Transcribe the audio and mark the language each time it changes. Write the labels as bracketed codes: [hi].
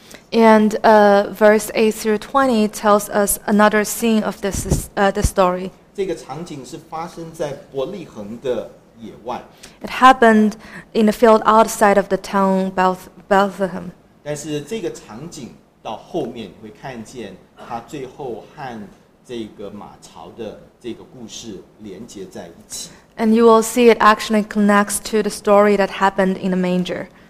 [en] And verse 8 through 20 tells us another scene of this the story. [zh] 这个场景是发生在伯利恒的野外。 [en] It happened in a field outside of the town Bethlehem. [zh] 但是这个场景到后面会看见他最后和这个马槽的这个故事连接在一起。 [en] And you will see it actually connects to the story that happened in the manger.